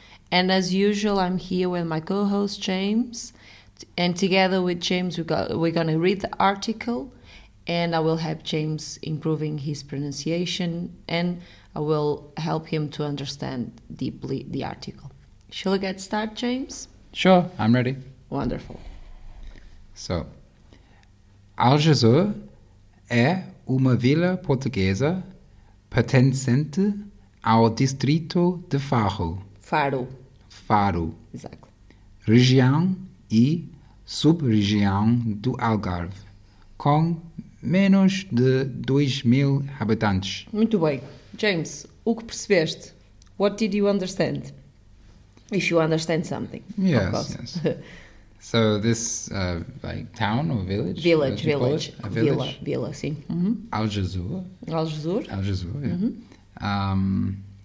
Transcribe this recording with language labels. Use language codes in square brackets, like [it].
[en] And as usual, I'm here with my co-host James. And together with James, we're going to read the article and I will help James improving his pronunciation and I will help him to understand deeply the article. Shall we get started, James? Sure, I'm ready. Wonderful. [pt] So, Aljezur é uma vila portuguesa pertencente ao distrito de Faro. Faro. Faro. [en] Exactly. [pt] Região e sub-região do Algarve, com menos de 2 mil habitantes. Muito bem. James, o que percebeste? [en] What did you understand? If you understand something. Yes, yes. So this like town or village? Village. Mm-hmm. Aljezur, yeah. Mm-hmm.